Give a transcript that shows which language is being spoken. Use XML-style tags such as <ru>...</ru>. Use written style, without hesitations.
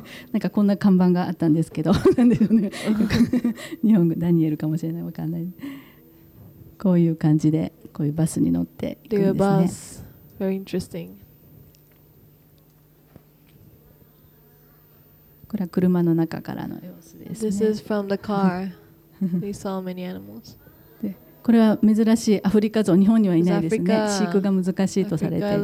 <ja>なんかこんな看板があったんですけど日本語ダニエルかもしれないわかんない。こういう感じでこういうバスに乗っていくんですね。</ja> <en>The bus, very interesting.</en> <ja>これは車の中からの様子ですね。</ja> <en>This is from the car. We saw many animals.</en> <ja>これは珍しいアフリカゾウ、日本にはいないですね。飼育が難しいとされている</ja>